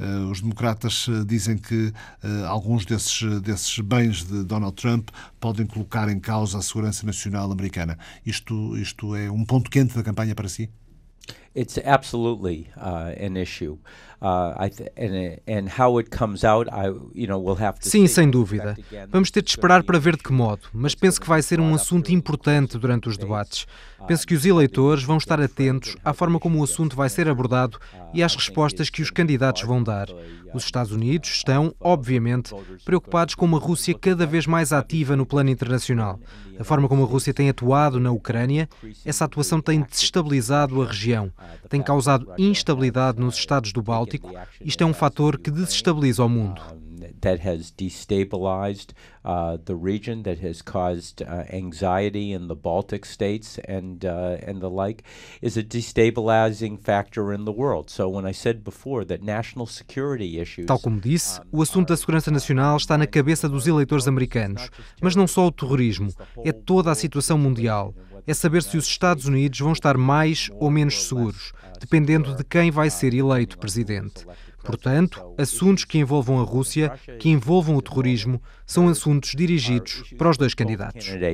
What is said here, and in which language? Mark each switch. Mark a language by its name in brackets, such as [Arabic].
[Portuguese] Os democratas dizem que alguns desses bens de Donald Trump podem colocar em causa a segurança nacional americana. Isto é um ponto quente da campanha para si? [English] It's absolutely an issue. And how it comes out, we'll have to. [Portuguese] Sim, sem dúvida. Vamos ter de esperar para ver de que modo, mas penso que vai ser um assunto importante durante os debates. Penso que os eleitores vão estar atentos à forma como o assunto vai ser abordado e às respostas que os candidatos vão dar. Os Estados Unidos estão, obviamente, preocupados com uma Rússia cada vez mais ativa no plano internacional. A forma como a Rússia tem atuado na Ucrânia, essa atuação tem desestabilizado a região, tem causado instabilidade nos Estados do Báltico. Isto é um fator que desestabiliza o mundo. [English] That has destabilized the region, that has caused anxiety in the Baltic states and the like, is a destabilizing factor in the world. So when I said before that national security issues. [Portuguese] Tal como disse, o assunto da segurança nacional está na cabeça dos eleitores americanos, mas não só o terrorismo, é toda a situação mundial. É saber se os Estados Unidos vão estar mais ou menos seguros, dependendo de quem vai ser eleito presidente. Portanto, assuntos que envolvam a Rússia, que envolvam o terrorismo, são assuntos dirigidos para os dois candidatos.